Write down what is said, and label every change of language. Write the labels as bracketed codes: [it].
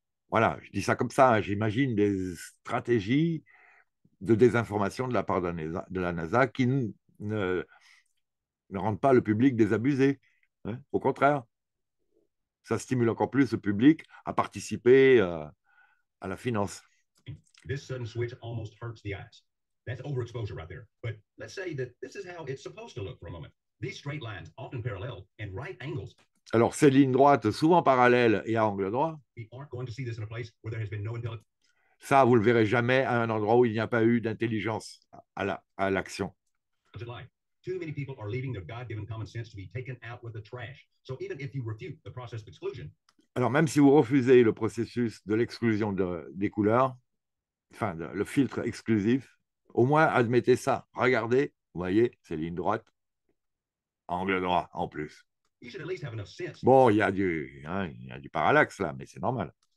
[fr] Voilà, je dis ça comme ça, hein. J'imagine des stratégies de désinformation de la part de la NASA qui ne rendent pas le public désabusé. Hein. Au contraire, ça stimule encore plus le public à participer à la finance. [en] This sudden switch almost hurts the eyes. That's overexposure right there. But let's say that this is how it's supposed to look for a moment. These straight lines, often parallel, and right angles. [fr] Alors, ces lignes droites, souvent parallèles et à angle droit. [en] We aren't going to see this in a place where there has been no intelligence. [fr] Ça, vous le verrez jamais à un endroit où il n'y a pas eu d'intelligence à l'action. [en] Too many people are leaving their God-given common sense to be taken out with the trash. So even if you refute the process of exclusion. [fr] Alors, même si vous refusez le processus de l'exclusion des couleurs, enfin, le filtre exclusif, au moins, admettez ça. Regardez, vous voyez, c'est ligne droite. Angle droit, en plus. Bon, il y a du parallaxe, là, mais c'est normal.